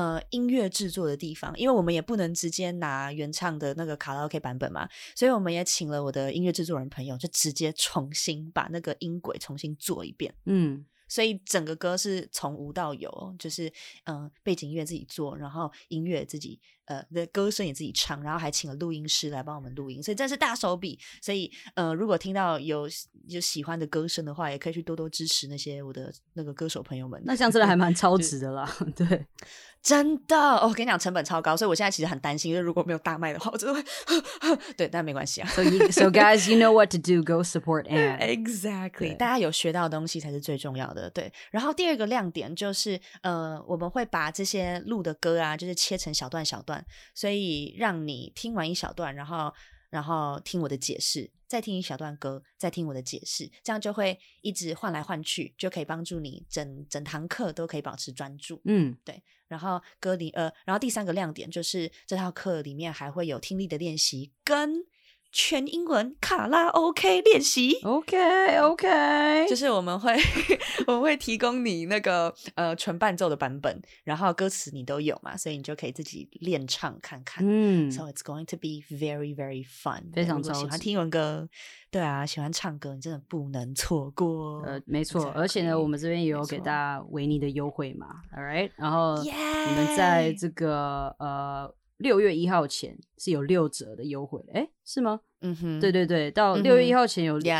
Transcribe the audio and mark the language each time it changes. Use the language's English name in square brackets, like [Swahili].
[Chinese] 音乐制作的地方，因为我们也不能直接拿原唱的那个卡拉 OK 版本嘛，所以我们也请了我的音乐制作人朋友就直接重新把那个音轨重新做一遍，嗯，所以整个歌是从无到有，就是背景音乐自己做，然后音乐自己歌声也自己唱，然后还请了录音师来帮我们录音，所以真是大手笔。所以如果听到有喜欢的歌声的话，也可以去多多支持那些我的那个歌手朋友们。那像真的还蛮超值的啦，对，真的，我跟你讲成本超高，所以我现在其实很担心，就是如果没有大卖的话，我真的会对，但没关系啊。 [English] So guys, you know what to do, go support Anne. [Chinese] Exactly, 大家有学到东西才是最重要的。对，然后第二个亮点就是我们会把这些录的歌啊，就是切成小段小段，所以让你听完一小段，然后听我的解释，再听一小段歌，再听我的解释，这样就会一直换来换去，就可以帮助你整堂课都可以保持专注。嗯，对。然后第三个亮点就是这套课里面还会有听力的练习跟全英文卡拉 OK 练习。 OK OK，就是我们会提供你那个纯伴奏的版本，然后歌词你都有嘛，所以你就可以自己练唱看看。 [English] 嗯， So it's going to be very very fun， [Chinese] 非常超级。如果喜欢听英文歌，对啊，喜欢唱歌，你真的不能错过。没错，而且呢我们这边也有给大家维尼的优惠嘛， Alright， 然后、 yeah! 你们在这个6月1号前是有六折的优惠，诶，是吗？嗯哼，对对对，到6月1号前有、嗯、